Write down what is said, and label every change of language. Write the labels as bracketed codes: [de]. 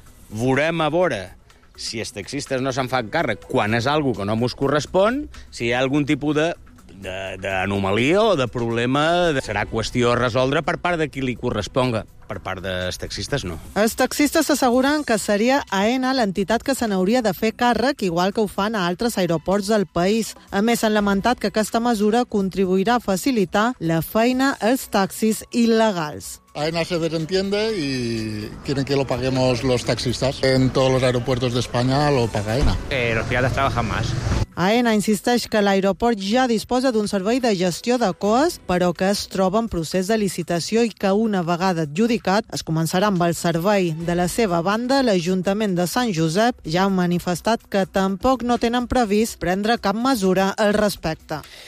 [ca] Veurem a veure si els taxistes no se'n fan càrrec quan és algo que no ens correspon, si hi ha algun tipus d'anomalia o de problema, serà qüestió a resoldre per part de qui li corresponga. Per part dels taxistes, no. Els taxistes asseguren que seria Aena l'entitat que se n'hauria de fer càrrec, igual que ho fan a altres aeroports del país. A més, han lamentat que aquesta mesura contribuirà a facilitar la feina als taxis il·legals. [es] Aena se desentiende y quieren que lo paguemos los taxistas. En todos los aeropuertos de España lo paga Aena. Los fiados trabajan más. [ca] Aena insisteix que l'aeroport ja disposa d'un servei de gestió de coes, però que es troba en procés de licitació i que una vegada adjudicat es començarà amb el servei. De la seva banda, l'Ajuntament de Sant Josep ja ha manifestat que tampoc no tenen previst prendre cap mesura al respecte.